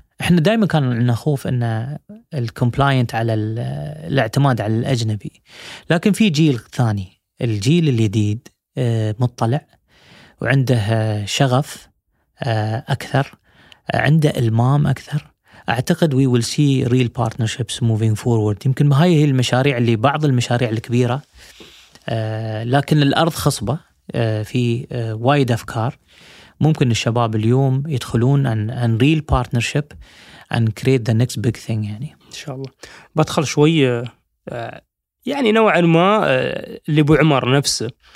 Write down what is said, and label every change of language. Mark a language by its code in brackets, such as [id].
[ar] احنا دائما كان عندنا خوف ان الكومبلاينت على الاعتماد على الاجنبي، لكن في جيل ثاني، الجيل الجديد مطلع وعنده شغف أكثر، عنده ألمام أكثر. [en] أعتقد we will see real partnerships moving forward. [ar] يمكن هاي هي المشاريع اللي بعض المشاريع الكبيرة، لكن الأرض خصبة، في وايد أفكار ممكن الشباب اليوم يدخلون عن [en] real partnership and create the next big thing. [ar] يعني إن شاء الله بدخل شوي يعني نوعا ما اللي أبو عمر نفسه.